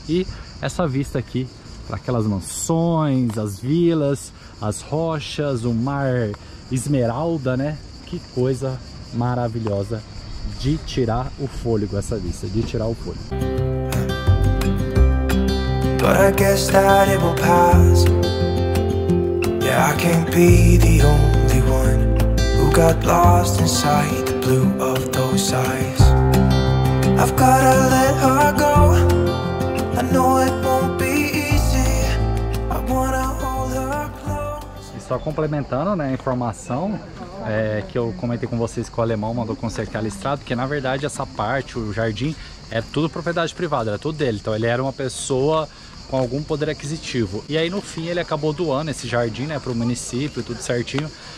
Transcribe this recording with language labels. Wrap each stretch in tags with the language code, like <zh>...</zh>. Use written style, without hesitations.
<pt>E essa vista aqui, para aquelas mansões, as vilas, as rochas, o mar esmeralda, né, que coisa maravilhosa de tirar o fôlego essa vista, de tirar o fôlego.</pt> <en>But I guess that it will pass. Yeah, I can't be the only one who got lost inside the blue of those eyes. I've gotta let her go. I know it won't be easy. I wanna hold her close.</en> <pt>E só complementando, né, a informação que eu comentei com vocês, que o alemão mandou consertar listrado, que na verdade essa parte, o jardim, é tudo propriedade privada, era tudo dele. Então ele era uma pessoa com algum poder aquisitivo. E aí no fim ele acabou doando esse jardim, né, pro município, tudo certinho.</pt>